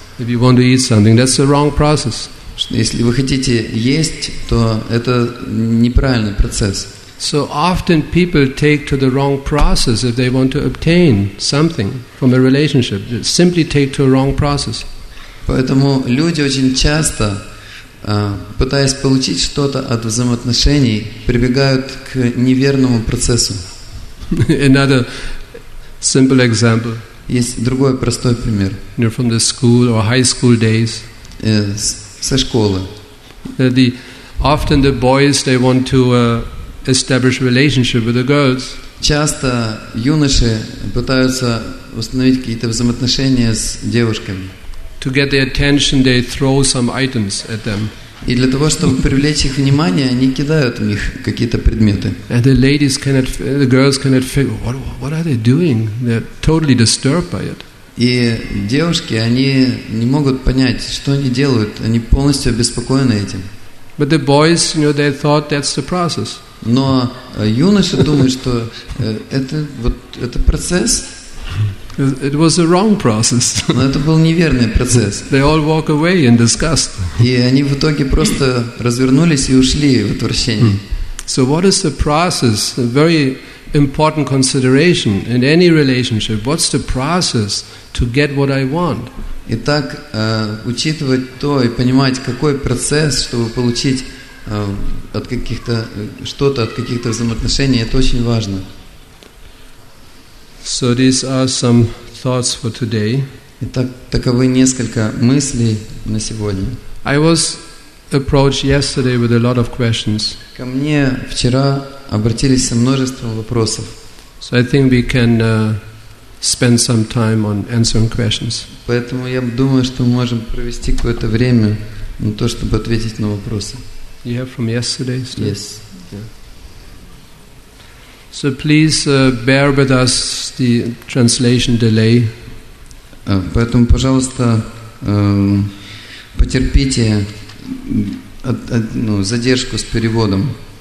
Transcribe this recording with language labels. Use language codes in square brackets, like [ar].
[en] If you want to eat something, that's the wrong process. [ru] Если вы хотите есть, то это неправильный процесс. [en] So often people take to the wrong process if they want to obtain something from a relationship. They simply take to a wrong process. [ru] Поэтому люди очень часто пытаясь получить что-то от взаимоотношений, прибегают к неверному процессу. [en] Another simple example. [ru] Есть другой простой пример. [en] You're from the school or high school days. [ru] Со школы. [en] Often the boys, they want to establish relationship with the girls. [ru] Часто юноши пытаются установить какие-то взаимоотношения с девушками. [en] To get their attention, they throw some items at them. [ru] И для того, чтобы привлечь их внимание, они кидают в них какие-то предметы. [en] And the ladies cannot, the girls cannot figure, what are they doing? They're totally disturbed by it. [ru] И девушки, они не могут понять, что они делают. Они полностью обеспокоены этим. [en] But the boys, you know, they thought that's the process. [ru] Но юноши думают, что это вот это процесс. [en] It was a wrong process. [ru] Но это был неверный процесс. [en] They all walk away in disgust. [ru] И они в итоге просто развернулись и ушли в отвращении. [en] So what is the process? A very important consideration in any relationship. What's the process to get what I want? [ru] Итак, учитывать то и понимать, какой процесс, чтобы получить от каких-то что-то, от каких-то взаимоотношений, это очень важно. [en] So these are some thoughts for today. [ru] Итак, таковы несколько мыслей на сегодня. [en] I was approached yesterday with a lot of questions. [ru] Ко мне вчера обратились со множеством вопросов. [en] So I think we can spend some time on answering questions. [ru] Поэтому я думаю, что мы можем провести какое-то время на то, чтобы ответить на вопросы. [en] You have from yesterday? Still? Yes. Yeah. So please bear with us the translation delay. [ru] Поэтому, пожалуйста, потерпите задержку с переводом.